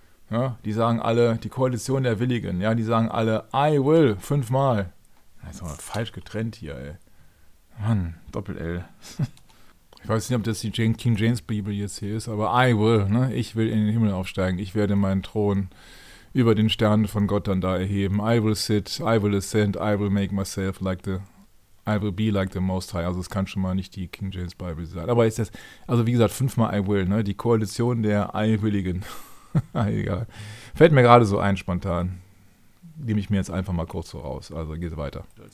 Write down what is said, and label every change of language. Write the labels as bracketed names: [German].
[German] Ja, die sagen alle, die Koalition der Willigen, ja, die sagen alle, [English] I will, [German] 5-mal. Jetzt haben wir falsch getrennt hier, ey. Mann, Doppel-L. Ich weiß nicht, ob das die King James Bibel jetzt hier ist, aber [English] I will, [German] ne? Ich will in den Himmel aufsteigen, ich werde meinen Thron über den Sternen von Gott dann da erheben. [English] I will sit, I will ascend, I will make myself like the, I will be like the Most High. [German] Also es kann schon mal nicht die King James Bible sein. Aber ist das, also wie gesagt, 5-mal [English] I will, [German] ne? Die Koalition der Eiwilligen. Egal. Fällt mir gerade so ein, spontan. Nehme ich mir jetzt einfach mal kurz so raus. Also geht weiter.